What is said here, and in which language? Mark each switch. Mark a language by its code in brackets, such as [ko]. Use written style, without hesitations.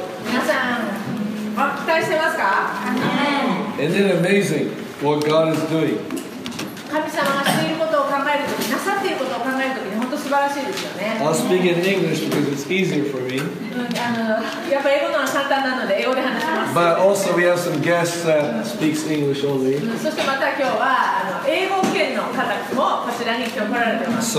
[ja] 皆さん、あ、期待してますか? [en] Amen. Isn't it amazing what God is doing? [ja] 神様がしていることを考えるとき、なさっていることを考えるときに本当素晴らしいですよね。 [en] I'll speak in English because it's easier for me. [ja] やっぱ英語のは簡単なので英語で話します。 [en] But also we have some guests that speaks English only. [ja] そしてまた今日は英語圏の方もこちらに今日来られてます。